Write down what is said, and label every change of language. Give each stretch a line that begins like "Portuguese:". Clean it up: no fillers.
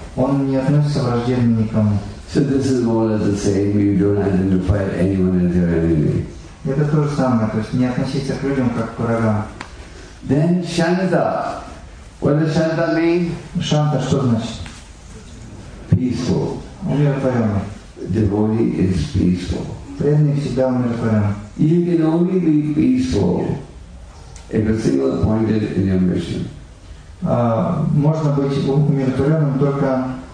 Russian: он не относится враждебно никому.
English: So this is more or less the same, you don't identify anyone as your enemy.
Russian: Это то же самое, то есть не относиться к людям как к врагам.
English: Then Shanta. What does Shanta mean?
Russian: Shanta, что значит?
English: Peaceful.
Russian: Умиротворенный.
English: Devotee is peaceful.
Russian: Преданный всегда умиротворен.
English: You can only be peaceful if you're single-pointed in your mission.
Russian: Можно быть умиротворенным только